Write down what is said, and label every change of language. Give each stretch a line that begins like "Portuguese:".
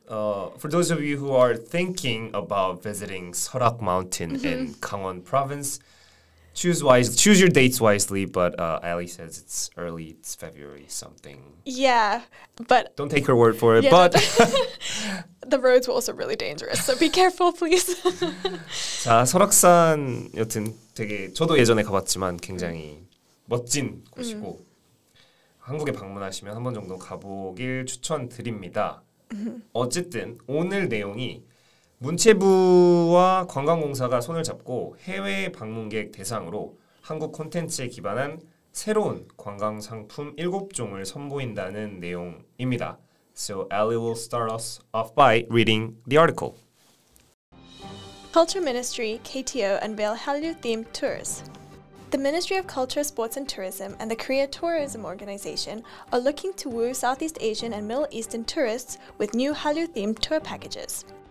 English: For those of you who are thinking about visiting Seorak Mountain in Gangwon province, choose your dates wisely, but Ali says it's early, it's February something. Yeah, but don't take her word for it, but the roads were also really dangerous, so be careful, please.
Korean: 자, 설악산 여튼 되게 저도 예전에 가봤지만 굉장히 멋진 곳이고 한국에 방문하시면 한 번 정도 가보길 추천드립니다. 어쨌든 오늘 내용이 문체부와 관광공사가 손을 잡고 해외 방문객 대상으로 한국 콘텐츠에 기반한 새로운 관광 상품 7종을 선보인다는 내용입니다.
English: So Ali will start us off by reading the article. Culture Ministry, KTO, unveil Hallyu-themed tours. The Ministry of Culture, Sports and Tourism and the Korea Tourism Organization are looking to woo Southeast Asian and Middle Eastern tourists with new Hallyu-themed tour packages.